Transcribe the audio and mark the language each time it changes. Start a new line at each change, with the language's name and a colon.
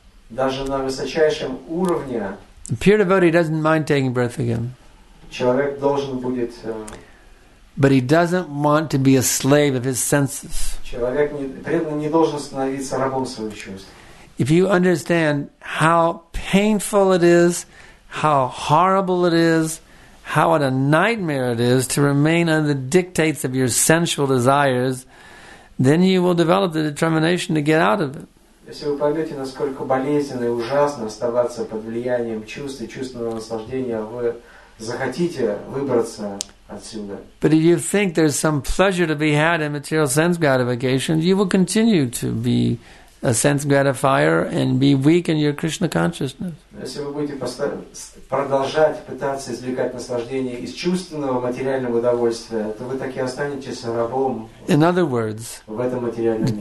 Russian: Даже на высочайшем уровне.
English: The pure devotee doesn't mind taking birth again.
Russian: Человек должен будет.
English: But he doesn't want to be a slave of his senses.
Russian: Человек преданный не должен становиться рабом своих чувств.
English: If you understand how painful it is, how horrible it is, how what a nightmare it is to remain under the dictates of your sensual desires, then you will develop the determination to get out of it.
Russian: Если вы поймете, насколько болезненно и ужасно оставаться под влиянием чувств и чувственного наслаждения, вы захотите выбраться отсюда.
English: But if you think there's some pleasure to be had in material sense gratification, you will continue to be a sense gratifier and be weak in your Krishna consciousness.
Russian: Если вы будете продолжать пытаться извлекать наслаждение из чувственного материального удовольствия, то вы так и останетесь рабом.
English: In other words,
Russian: в этом материальном мире.